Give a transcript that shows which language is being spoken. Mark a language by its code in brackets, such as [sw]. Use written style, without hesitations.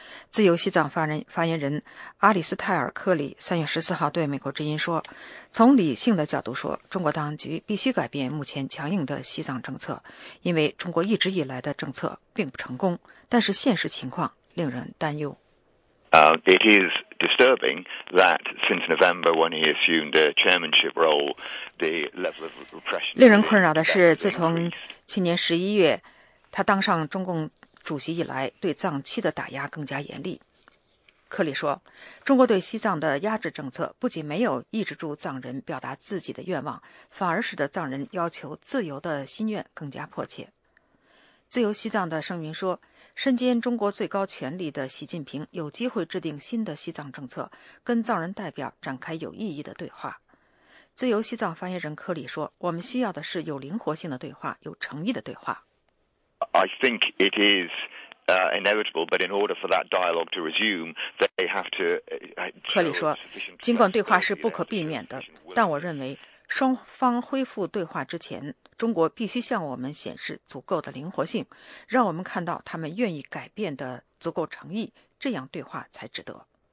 [zh] 自由西藏发言人阿里斯泰尔克里3月14号对美国之音说，从理性的角度说，中国当局必须改变目前强硬的西藏政策，因为中国一直以来的政策并不成功，但是现实情况令人担忧。 [en] It is disturbing that since November, when he assumed the chairmanship role, the level of repression. [zh] 令人困扰的是，自从去年十一月他当上中共主席以来，对藏区的打压更加严厉。克里说，中国对西藏的压制政策不仅没有抑制住藏人表达自己的愿望，反而使得藏人要求自由的心愿更加迫切。自由西藏的声明说，身兼中国最高权力的习近平有机会制定新的西藏政策，跟藏人代表展开有意义的对话。自由西藏发言人柯里说，我们需要的是有灵活性的对话，有诚意的对话。 [en] I think it isis inevitable, but in order for that dialogue to resume, they have to. [zh] 柯里说，尽管对话是不可避免的，但我认为双方恢复对话之前，中国必须向我们显示足够的灵活性，让我们看到他们愿意改变的足够诚意，这样对话才值得。